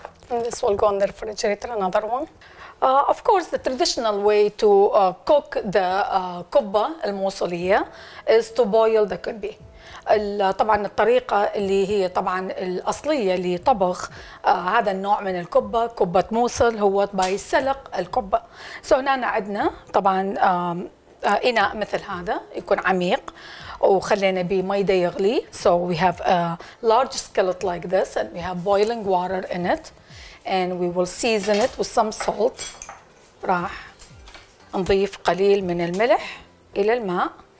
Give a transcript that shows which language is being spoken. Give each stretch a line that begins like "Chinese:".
English: And this will go on the refrigerator, another one. Of course, the traditional way to cook the kubba, الموصولية, is to boil the kubbi.
Arabic: طبعا الطريقة اللي هي طبعا الأصلية لطبخ هذا النوع من الكبة كبة موصل هو باي سلق الكبة.
English: So
Arabic: هنا عندنا طبعا إناء مثل هذا يكون عميق وخلينا به مي يغلي.
English: So we have a large skillet like this and we have boiling water in it. And we will season it with some salt.
Arabic: راح نضيف قليل من الملح إلى الماء.